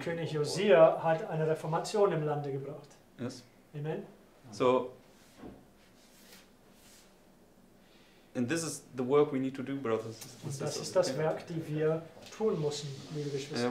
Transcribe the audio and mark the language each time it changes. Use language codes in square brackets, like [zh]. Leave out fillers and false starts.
[de] König Josia hat eine Reformation im Lande gebracht. [en] Yes. Amen. So, and this is the work we need to do, brothers. [de] Und das ist das Werk, die wir tun müssen, liebe Geschwister.